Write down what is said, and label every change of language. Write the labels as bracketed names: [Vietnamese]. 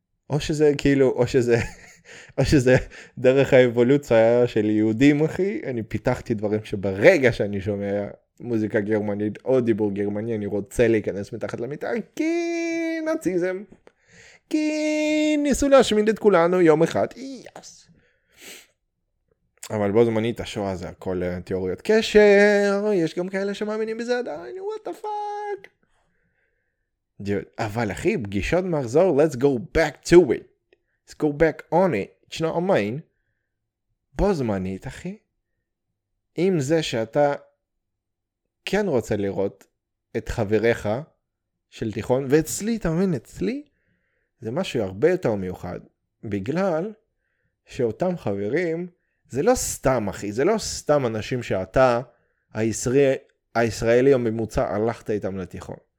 [Hebrew] או שזה כאילו, או שזה דרך האבולוציה של יהודים, אחי, אני פיתחתי דברים שברגע שאני שומע מוזיקה גרמנית או דיבור גרמני, אני רוצה להיכנס מתחת למיטה, כי נאציזם, כי ניסו להשמיד את כולנו יום אחד, יאס. אבל בו זמנית השואה זה הכל תיאוריות קשר, יש גם כאלה שמאמינים בזה עדיין, [English] what the fuck. Dude, [Hebrew] אבל אחי, פגישות מחזור, [English] let's go back to it. Let's go back on it. It's not a mine. [Hebrew] בו זמנית, אחי, עם זה שאתה כן רוצה לראות את חבריך של תיכון, ואצלי, אתה מבין, אצלי, זה משהו הרבה יותר מיוחד, בגלל שאותם חברים, זה לא סתם, אחי, זה לא סתם אנשים שאתה, הישראלי הממוצע, הלכת איתם לתיכון.